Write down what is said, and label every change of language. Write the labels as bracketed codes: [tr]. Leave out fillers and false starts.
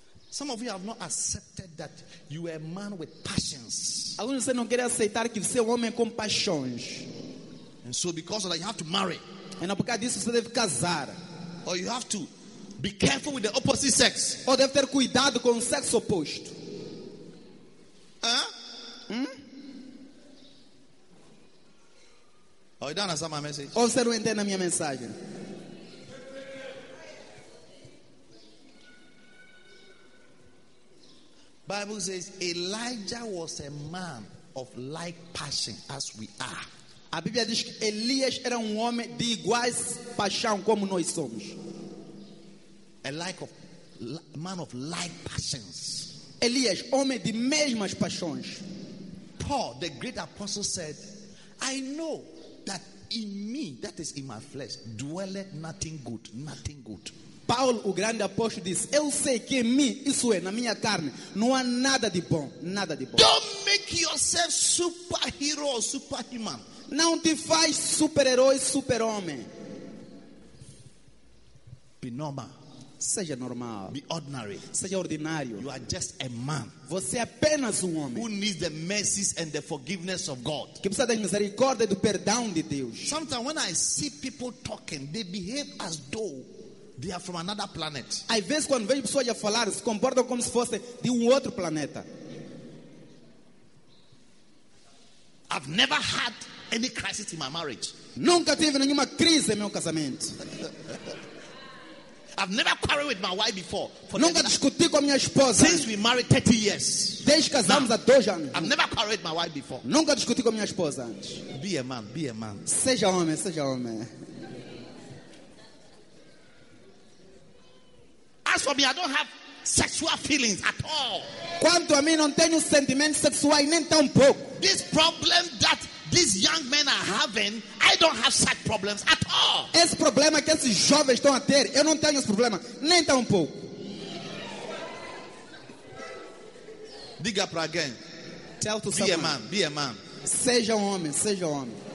[en] Some of you have not accepted that you are a man with passions. [pt] Alguns de vocês não querem aceitar que você é um homem com paixões. [en] And so because of that you have to marry. [pt] E não por causa disso você deve casar. [en] Or you have to be careful with the opposite sex. [pt] Ou deve ter cuidado com o sexo oposto. [en] Oh, you don't understand my message. [pt] Ou você não entende a minha mensagem? [en] Bible says Elijah was a man of like passion as we are. [pt] A Bíblia diz que Elias era um homem de iguais paixão como nós somos. [en] A man of like passions. [pt] Elias, homem de mesmas paixões. [en] Paul, the great apostle, said, "I know that in me, that is in my flesh, dwelleth nothing good, nothing good." [pt] Paulo, o grande apóstolo, disse, "Eu sei que em mim, isso é, na minha carne, não há nada de bom, nada de bom." [en] Don't make yourself superhero or superhuman. [pt] Não te faz super-herói, super-homem. [en] Be normal. [pt] Seja normal. [en] Be ordinary. [pt] Seja ordinário. [en] You are just a man. [pt] Você é apenas homem. [en] Who needs the mercies and the forgiveness of God? [pt] Que precisa das misericórdias e do perdão de Deus. [en] Sometimes when I see people talking, they behave as though they are from another planet. [pt] Às vezes quando vejo pessoas a falar, se comportam como se fosse de outro planeta. [en] I've never had any crisis in my marriage. [pt] Nunca tive nenhuma crise em meu casamento. [en] I've never quarreled with my wife before. [pt] Nunca discuti com a minha esposa. [en] Since we married 30 years. [pt] Desde casamos há 12 anos. [en] I've never quarreled with my wife before. [pt] Nunca discuti com a minha esposa antes. [en] Be a man, be a man. [pt] Seja homem, seja homem. [en] As for me, I don't have sexual feelings at all. [pt] Quanto a mim, não tenho sentimentos sexuais nem tão pouco. [en] This problem that these young men are having, I don't have such problems at all. [pt] Esse problema que esses jovens estão a ter, eu não tenho esse problema nem tão pouco. Diga para alguém. [en] Tell to be someone. A man, be a man. [pt] Seja homem, seja homem.